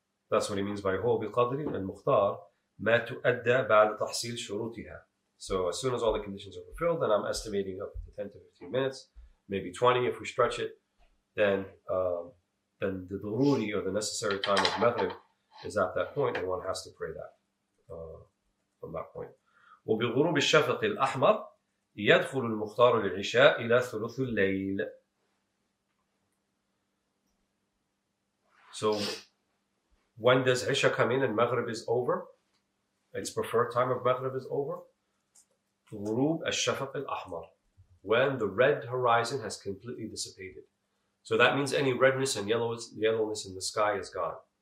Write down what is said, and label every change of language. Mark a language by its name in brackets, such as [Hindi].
[English] That's what he means by huwa biqadri al-mukhtar ma tu'adda ba'da tahsil shurutiha. So as soon as all the conditions are fulfilled, then I'm estimating up to 10 to 15 minutes, maybe 20 if we stretch it, then the dhururi, or the necessary time of maghrib, is at that point, and one has to pray that from that point. [Arabic] وبغروب الشفق الأحمر يدخل المختار للعشاء إلى ثلث الليل. [English] So when does Isha come in and Maghrib is over? Its preferred time of Maghrib is over? [Arabic] غروب الشفق الأحمر, [English] when the red horizon has completely dissipated. So that means any redness and yellowness in the sky is gone.